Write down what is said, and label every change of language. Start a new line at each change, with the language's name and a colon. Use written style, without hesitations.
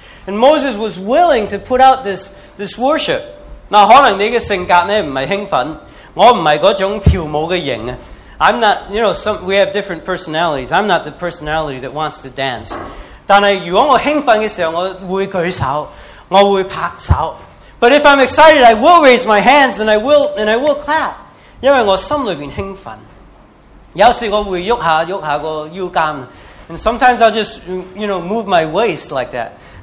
English: And Moses was willing to put out this worship.
Chinese: 那可能你的性格呢不是兴奋, 我不是那种跳舞的型。
English: I'm not, you know, we have different personalities. I'm not the personality that wants to dance.
Chinese: 但是如果我兴奋的时候，我会举手，我会拍手。
English: But if I'm excited, I will raise my hands and I will clap.
Chinese: 因为我心里面兴奋。有时我会动一下个腰杆,
English: and sometimes I'll just, you know, move my waist like that.